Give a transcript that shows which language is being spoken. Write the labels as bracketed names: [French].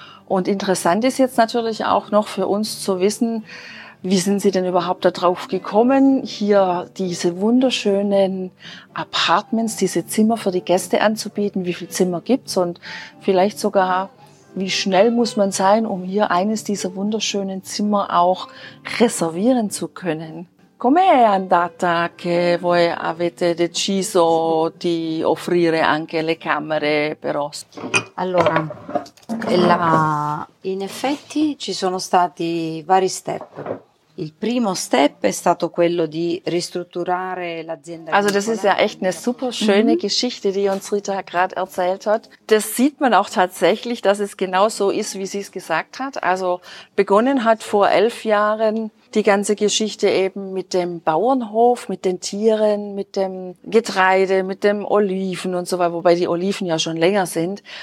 [German] Und interessant ist jetzt natürlich auch noch für uns zu wissen, wie sind Sie denn überhaupt darauf gekommen, hier diese wunderschönen Apartments, diese Zimmer für die Gäste anzubieten? Wie viele Zimmer gibt's und vielleicht sogar, wie schnell muss man sein, um hier eines dieser wunderschönen Zimmer auch reservieren zu können? [Italian] Come è andata che voi avete deciso di offrire anche le camere per ospiti? Allora, in effetti ci sono stati vari step. Il primo step è stato quello di ristrutturare l'azienda. [German] Also das ist ja echt eine super schöne Geschichte, die uns Rita gerade erzählt hat. Das sieht man auch tatsächlich, dass es genau so ist, wie sie es gesagt hat. Also begonnen hat vor 11 Jahren die ganze Geschichte eben mit dem Bauernhof, mit den Tieren, mit dem Getreide, mit dem Oliven und so weiter, wobei die Oliven ja schon länger sind.